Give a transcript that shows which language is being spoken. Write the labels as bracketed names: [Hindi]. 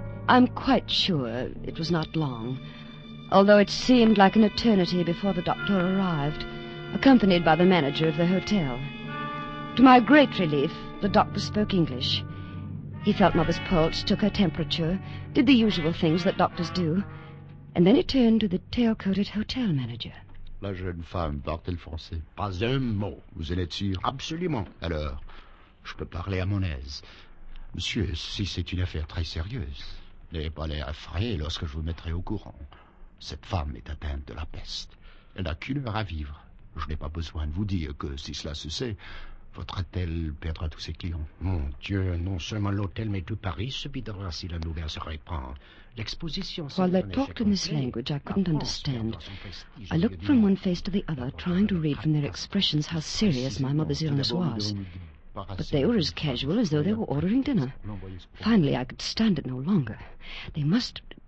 [English] I'm quite sure it was not long, although it seemed like an eternity before the doctor arrived, accompanied by the manager of the hotel. To my great relief, the doctor spoke English. He felt Mother's pulse, took her temperature, did the usual things that doctors do, and then he turned to the tail-coated hotel manager. [French] La jeune femme parle-t-elle français? Pas un mot. Vous en êtes sûr? Absolument. Alors, je peux parler à mon aise. Monsieur, si c'est une affaire très sérieuse... N'ayez pas l'air effrayé lorsque je vous mettrai au courant. Cette femme est atteinte de la peste. Elle n'a qu'une heure à vivre. Je n'ai pas besoin de vous dire que, si cela se sait, votre hôtel perdra tous ses clients. Mon Dieu, non seulement l'hôtel, mais tout Paris se videra si la nouvelle se répand. L'exposition... [English] While they talked in this language, I couldn't understand. I looked from one face to the other, trying to read from their expressions how serious my mother's illness was. But they were as casual as though they were ordering dinner. Finally, I could stand it no longer. They must...